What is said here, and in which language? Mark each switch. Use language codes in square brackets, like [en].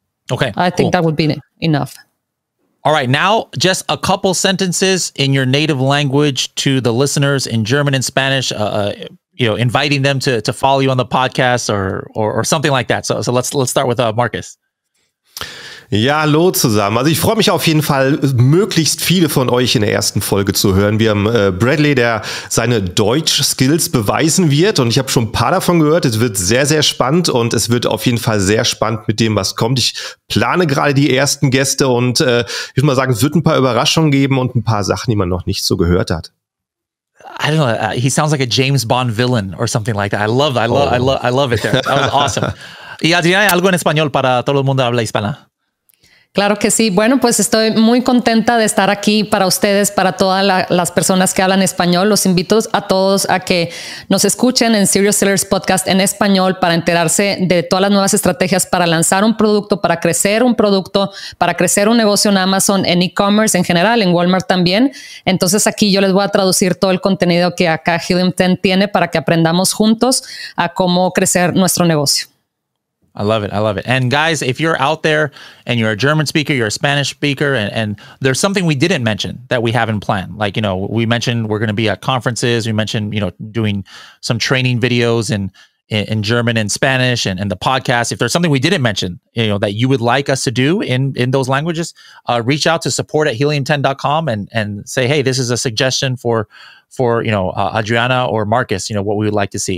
[en] Okay. I think cool. That would be enough. All right. Now, just a couple sentences in your native language to the listeners in German and Spanish. You know, inviting them to follow you on the podcast or something like that. So let's start with Marcus. [de] Ja, hallo zusammen. Also ich freue mich auf jeden Fall, möglichst viele von euch in der ersten Folge zu hören. Wir haben Bradley, der seine Deutsch-Skills beweisen wird. Und ich habe schon ein paar davon gehört. Es wird sehr, sehr spannend. Und es wird auf jeden Fall sehr spannend mit dem, was kommt. Ich plane gerade die ersten Gäste. Und ich würde mal sagen, es wird ein paar Überraschungen geben und ein paar Sachen, die man noch nicht so gehört hat. [en] I don't know. He sounds like a James Bond villain or something like that. I love it there. That was awesome. [es] Y Adriana, ¿hay algo en español para todo el mundo habla hispana? Claro que sí. Bueno, pues estoy muy contenta de estar aquí para ustedes, para todas las personas que hablan español. Los invito a todos a que nos escuchen en Serious Sellers Podcast en español para enterarse de todas las nuevas estrategias para lanzar un producto, para crecer un producto, para crecer un negocio en Amazon, en e-commerce en general, en Walmart también. Entonces aquí yo les voy a traducir todo el contenido que acá Helium 10 tiene para que aprendamos juntos a cómo crecer nuestro negocio. [en] I love it. I love it. And guys, if you're out there and you're a German speaker, you're a Spanish speaker, and there's something we didn't mention that we haven't planned. Like, you know, we mentioned we're going to be at conferences. We mentioned, you know, doing some training videos in German and Spanish and the podcast. If there's something we didn't mention, you know, that you would like us to do in those languages, reach out to support@helium10.com and say, hey, this is a suggestion for Adriana or Marcus, you know, what we would like to see.